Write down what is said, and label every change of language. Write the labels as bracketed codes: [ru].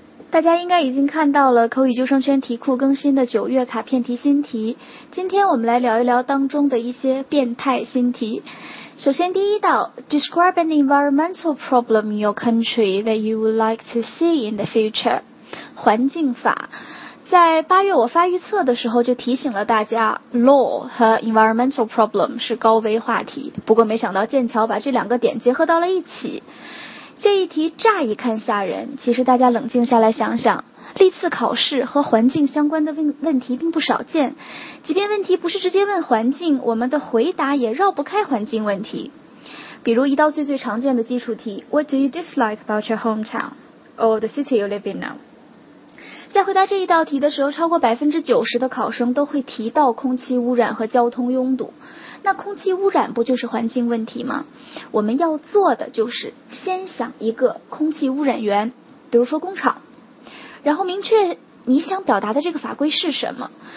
[zh] 大家应该已经看到了口语救生圈题库更新的九月卡片题新题，今天我们来聊一聊当中的一些变态新题。首先第一道， [en] Describe an environmental problem in your country that you would like to see in the future. [zh] 环境法。在八月我发预测的时候就提醒了大家， Law 和 environmental problem 是高危话题，不过没想到剑桥把这两个点结合到了一起。这一题乍一看吓人，其实大家冷静下来想想，历次考试和环境相关的问题并不少见，即便问题不是直接问环境，我们的回答也绕不开环境问题。比如一道最最常见的基础题， [en] What do you dislike about your hometown or the city you live in now? [zh] 在回答这一道题的时候，超过 90% 的考生都会提到空气污染和交通拥堵。那空气污染不就是环境问题吗？我们要做的就是先想一个空气污染源，比如说工厂，然后明确你想表达的这个法规是什么。